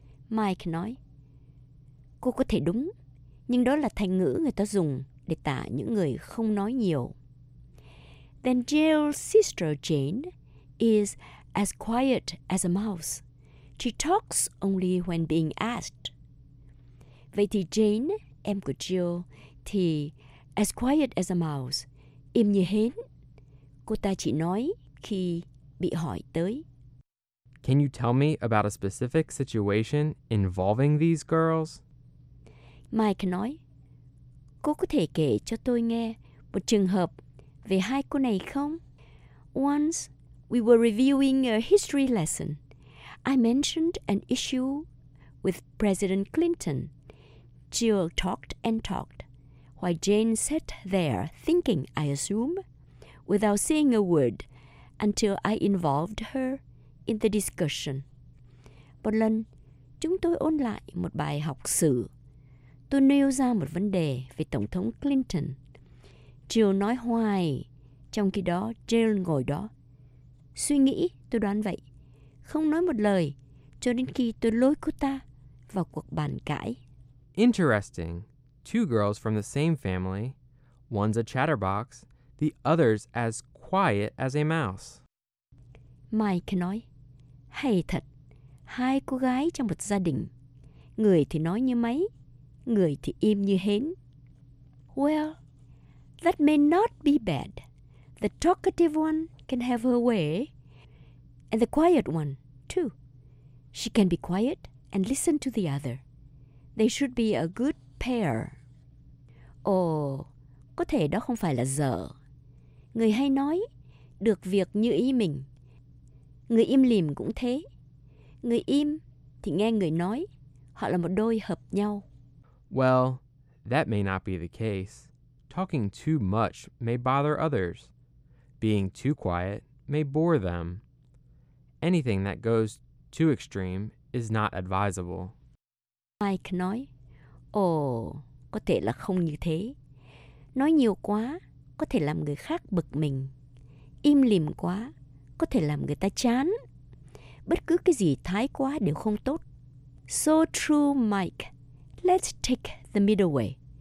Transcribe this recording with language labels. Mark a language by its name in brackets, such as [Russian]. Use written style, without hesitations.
[Vietnamese] Mike nói, cô có thể đúng, nhưng đó là thành ngữ người ta dùng để tả những người không nói nhiều. [English] Then Jill's sister Jane is as quiet as a mouse. She talks only when being asked. [Vietnamese] Vậy thì Jane, em của Jill, thì [English] as quiet as a mouse, [Vietnamese] im như hến. Cô ta chỉ nói khi bị hỏi tới. [English] Can you tell me about a specific situation involving these girls? [Vietnamese] Mike nói, cô có thể kể cho tôi nghe một trường hợp về hai cô này không? [English] Once, we were reviewing a history lesson. I mentioned an issue with President Clinton. Jill talked and talked, while Jane sat there thinking, I assume, without saying a word, until I involved her in the discussion. [Vietnamese] Một lần, chúng tôi ôn lại một bài học sử. Tôi nêu ra một vấn đề về Tổng thống Clinton. Jill nói hoài, trong khi đó Jill ngồi đó. Suy nghĩ, tôi đoán vậy, không nói một lời, cho đến khi tôi lôi cô ta vào cuộc bàn cãi. [English] Interesting. Two girls from the same family. One's a chatterbox, the other's as quiet as a mouse. [Vietnamese] Mike nói, hay thật, hai cô gái trong một gia đình. Người thì nói như máy, người thì im như hến. [English] Well, that may not be bad. The talkative one can have her way. And the quiet one, too. She can be quiet and listen to the other. They should be a good pair. [Vietnamese] Oh, có thể đó không phải là dở. Người hay nói, được việc như ý mình. Người im lìm cũng thế. Người im thì nghe người nói. Họ là một đôi hợp nhau. [English] Well, that may not be the case. Talking too much may bother others. Being too quiet may bore them. Anything that goes too extreme is not advisable. [Vietnamese] Mike nói, có thể là không như thế. Nói nhiều quá có thể làm người khác bực mình. im lìm quá có thể làm người ta chán. Bất cứ cái gì thái quá đều không tốt. [English] So true, Mike. Let's take the middle way.